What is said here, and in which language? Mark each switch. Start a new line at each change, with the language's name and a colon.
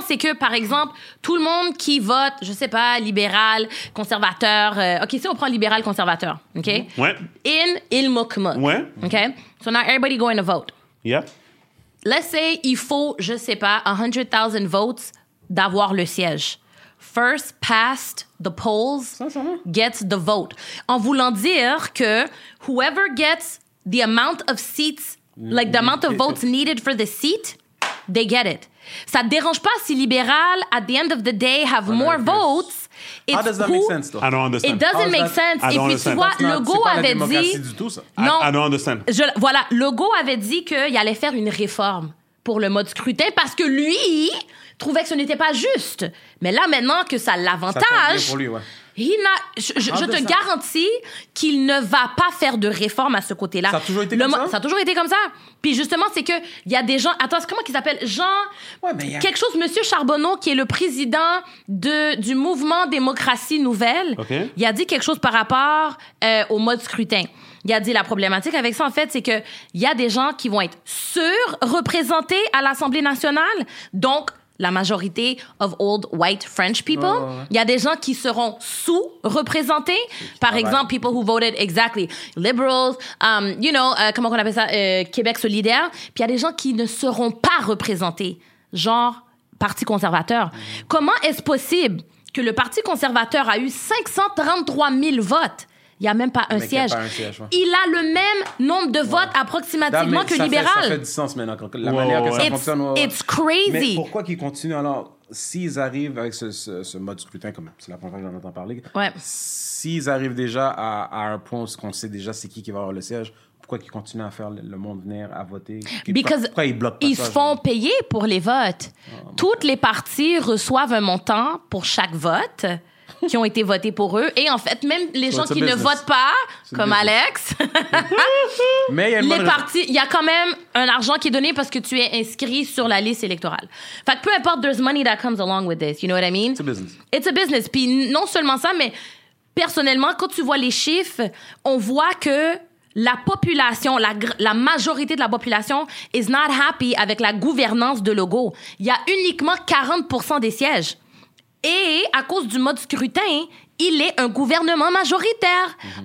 French: C'est que, par exemple, tout le monde qui vote, je sais pas, libéral, conservateur. OK, si on prend libéral, conservateur. OK? In Ilmukmuk. OK?
English: So now everybody going to vote. Let's say
French: il faut, je sais pas, 100,000 votes d'avoir le siège.
English: First past the polls gets the vote.
French: En voulant dire que
English: whoever gets the amount of seats, like the amount of votes needed for the seat, they get it.
French: Ça ne dérange pas si libéral,
English: at the end of the day, have more votes. It's how does that make sense, though? I don't understand. It doesn't make sense. I don't
French: Et puis, tu vois, Legault avait dit...
English: Non, I don't understand.
French: Je, voilà, Legault avait dit qu'il allait faire une réforme pour le mode scrutin parce que lui... trouvait que ce n'était pas juste. Mais là, maintenant que ça l'avantage, je te garantis qu'il ne va pas faire de réforme à ce côté-là. Ça a toujours été comme ça? Ça a toujours été comme ça. Puis justement, c'est qu'il y a des gens... Attends, comment qu'ils s'appellent? Jean... quelque chose, Monsieur Charbonneau, qui est le président du mouvement Démocratie Nouvelle, il a dit quelque chose par rapport au mode scrutin. Il a dit la problématique avec ça, en fait, c'est qu'il y a des gens qui vont être surreprésentés à l'Assemblée nationale. Donc, la majorité
English: of old white French people.
French: Il y a des gens qui seront sous-représentés. Par exemple,
English: people who voted liberals, you know,
French: comment on appelle ça, Québec solidaire. Puis il y a des gens qui ne seront pas représentés, genre Parti conservateur. Comment est-ce possible que le Parti conservateur a eu 533 000 votes? Il n'y a même pas un siège. Il a le même nombre de votes approximativement que libéral. Ça fait du sens maintenant, la manière que ça fonctionne.
English: It's crazy.
French: Mais pourquoi qu'ils continuent alors? S'ils arrivent avec ce mode scrutin, comme c'est la première fois que j'en entends parler, s'ils arrivent déjà à un point où on sait déjà c'est qui va avoir le siège, pourquoi qu'ils continuent à faire le monde venir à voter? Pourquoi ils bloquent pas ça? Ils se font payer pour les votes. Toutes les parties reçoivent un montant pour chaque vote qui ont été votés pour eux. Et en fait, même les gens qui ne votent pas, comme Alex, mais y a quand même un argent qui est donné parce que tu es inscrit sur la liste électorale. Fait que peu importe,
English: there's money that comes along with this. You know what I mean? It's a business. It's a business.
French: Puis non seulement ça, mais personnellement, quand tu vois les chiffres, on voit que la population, la majorité de la population
English: is not happy
French: avec la gouvernance de Legault. Il y a uniquement 40% des sièges. Et à cause du mode scrutin, il est un gouvernement majoritaire. Mm-hmm.